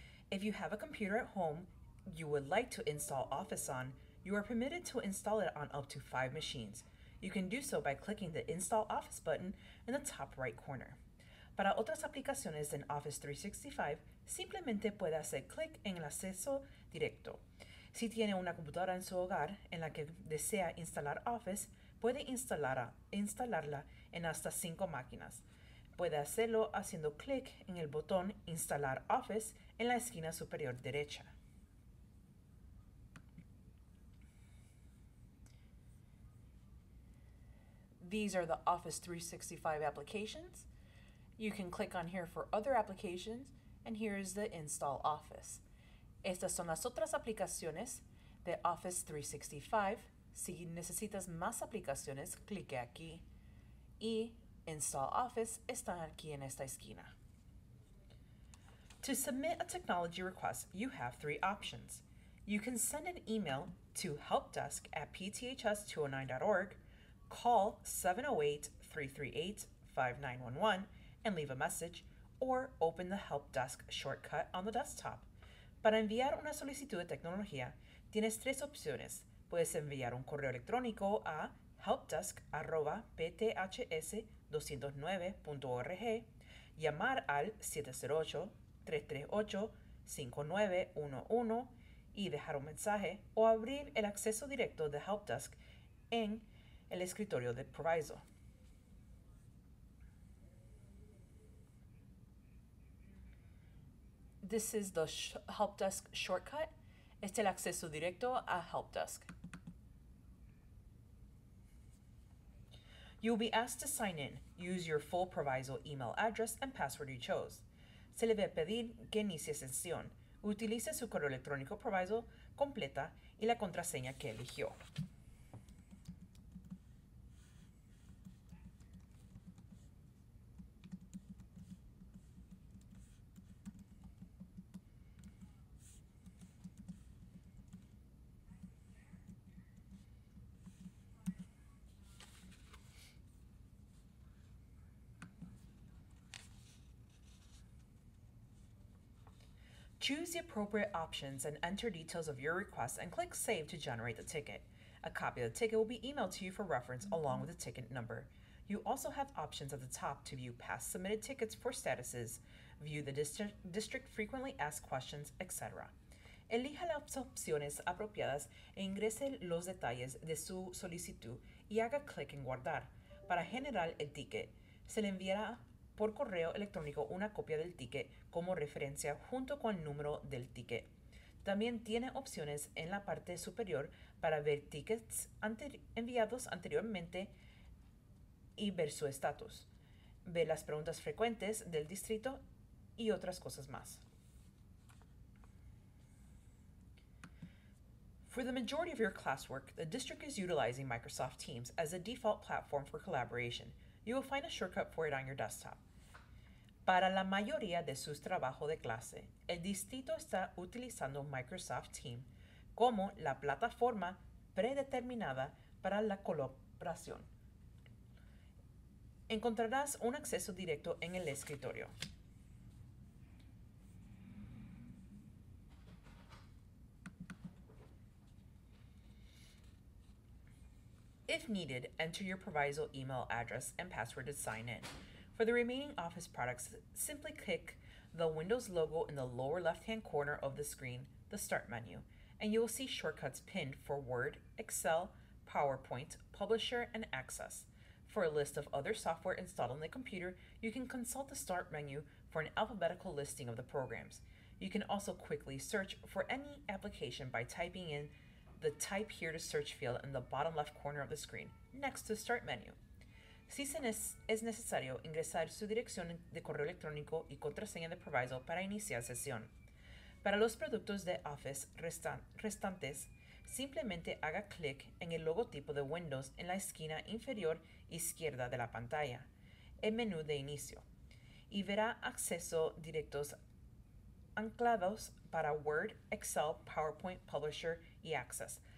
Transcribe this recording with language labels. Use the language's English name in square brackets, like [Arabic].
[English] If you have a computer at home you would like to install Office on, you are permitted to install it on up to 5 machines. You can do so by clicking the Install Office button in the top right corner. [Spanish] Para otras aplicaciones en Office 365, simplemente puede hacer clic en el acceso directo. Si tiene una computadora en su hogar en la que desea instalar Office, puede instalarla en hasta 5 máquinas. Puede hacerlo haciendo clic en el botón Instalar Office en la esquina superior derecha. [English] These are the Office 365 applications. You can click on here for other applications, and here is the Install Office. [Spanish] Estas son las otras aplicaciones de Office 365. Si necesitas más aplicaciones, clique aquí. Y Install Office está aquí en esta esquina. [English] To submit a technology request, you have 3 options. You can send an email to helpdesk@pths209.org, call 708-338-5911, and leave a message, or open the Help Desk shortcut on the desktop. [Spanish] Para enviar una solicitud de tecnología, tienes 3 opciones. Puedes enviar un correo electrónico a helpdesk@pths209.org, llamar al 708-338-5911 y dejar un mensaje, o abrir el acceso directo de Help Desk en el escritorio de Proviso. [English] This is the Help Desk shortcut. [Spanish] Este es el acceso directo a Help Desk. [English] You will be asked to sign in. Use your full Proviso email address and password you chose. [Spanish] Se le va a pedir que inicie sesión. Utilice su correo electrónico Proviso completa y la contraseña que eligió. [English] Choose the appropriate options and enter details of your request and click Save to generate the ticket. A copy of the ticket will be emailed to you for reference along with the ticket number. You also have options at the top to view past submitted tickets for statuses, view the district frequently asked questions, etc. [Spanish] Elija las opciones apropiadas e ingrese los detalles de su solicitud y haga clic en guardar. Para generar el ticket, se le enviará por correo electrónico una copia del ticket como referencia junto con el número del ticket. También tiene opciones en la parte superior para ver tickets enviados anteriormente y ver su estatus. Ve las preguntas frecuentes del distrito y otras cosas más. [English] For the majority of your classwork, the district is utilizing Microsoft Teams as a default platform for collaboration. You will find a shortcut for it on your desktop. [Spanish] Para la mayoría de sus trabajos de clase, el distrito está utilizando Microsoft Teams como la plataforma predeterminada para la colaboración. Encontrarás un acceso directo en el escritorio. [English] If needed, enter your proviso email address and password to sign in. For the remaining office products, simply click the Windows logo in the lower left-hand corner of the screen, the Start menu, and you will see shortcuts pinned for Word, Excel, PowerPoint, Publisher, and Access. For a list of other software installed on the computer, you can consult the Start menu for an alphabetical listing of the programs. You can also quickly search for any application by typing in the Type Here to Search field in the bottom left corner of the screen, next to the Start menu. [Spanish] Si es necesario, ingresar su dirección de correo electrónico y contraseña de proviso para iniciar sesión. Para los productos de Office restantes, simplemente haga clic en el logotipo de Windows en la esquina inferior izquierda de la pantalla, el menú de inicio, y verá acceso directos anclados para Word, Excel, PowerPoint, Publisher y Access.